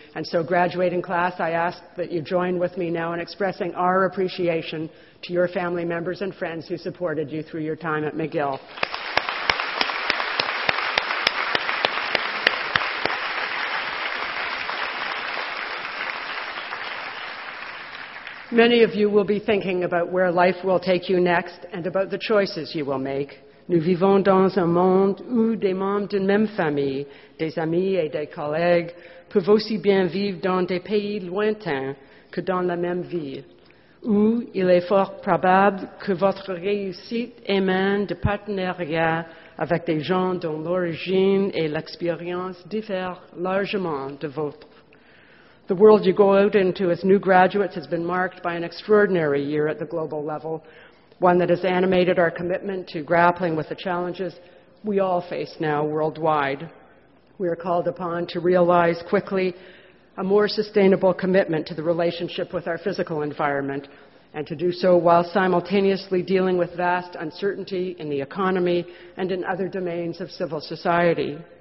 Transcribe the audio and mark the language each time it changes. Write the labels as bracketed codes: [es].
[en] And so, graduating class, I ask that you join with me now in expressing our appreciation to your family members and friends who supported you through your time at McGill. Many of you will be thinking about where life will take you next and about the choices you will make. [fr] Nous vivons dans un monde où des membres d'une même famille, des amis et des collègues, peuvent aussi bien vivre dans des pays lointains que dans la même ville, où il est fort probable que votre réussite émane de partenariats avec des gens dont l'origine et l'expérience diffèrent largement de vôtre. [en] The world you go out into as new graduates has been marked by an extraordinary year at the global level, one that has animated our commitment to grappling with the challenges we all face now worldwide. We are called upon to realize quickly a more sustainable commitment to the relationship with our physical environment, and to do so while simultaneously dealing with vast uncertainty in the economy and in other domains of civil society.